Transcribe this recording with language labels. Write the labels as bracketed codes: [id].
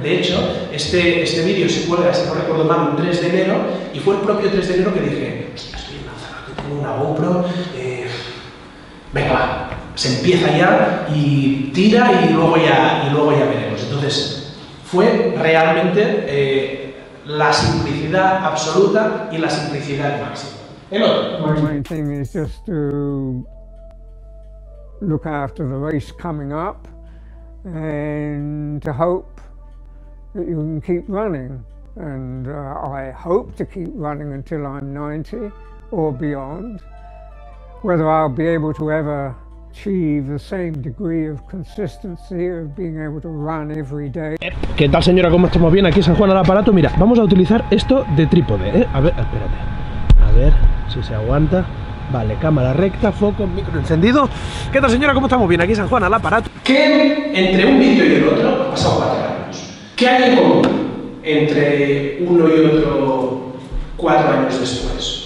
[es] De hecho, este vídeo se cuelga, si no recuerdo mal, un 3 de enero, y fue el propio 3 de enero que dije, estoy en Lanzarote, tengo una GoPro, venga, va, se empieza ya, y tira, y luego ya veremos. Entonces, fue realmente la simplicidad absoluta y la simplicidad máxima. El otro. [en] My main thing is just to look after the race coming up and to hope that you can keep running. And I hope to keep running until I'm 90 or beyond. Whether I'll be able to ever achieve the same degree of consistency of being able to run every day. [es] ¿Qué tal, señora? ¿Cómo estamos? Bien, aquí San Juan al aparato. Mira, vamos a utilizar esto de trípode, ¿eh? A ver, espérate. A ver si se aguanta. Vale, cámara recta, foco, micro encendido. ¿Qué tal, señora? ¿Cómo estamos? Bien, aquí San Juan al aparato. ¿Qué entre un vídeo y el otro ha pasado 4 años? ¿Qué hay en común entre uno y otro 4 años después?